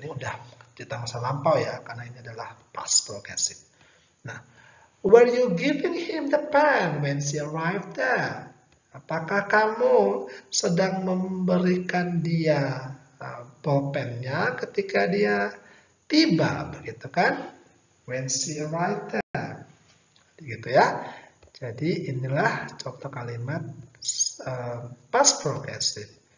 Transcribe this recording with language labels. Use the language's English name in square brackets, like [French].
[Indonesian] Ini udah cerita masa lampau ya, karena ini adalah past progressive. [English] Nah, were you giving him the pen when she arrived there? [Indonesian] Apakah kamu sedang memberikan dia pulpennya ketika dia tiba, begitu kan? [English] When she arrived there. [Indonesian] Gitu ya. Jadi inilah contoh kalimat past progressive.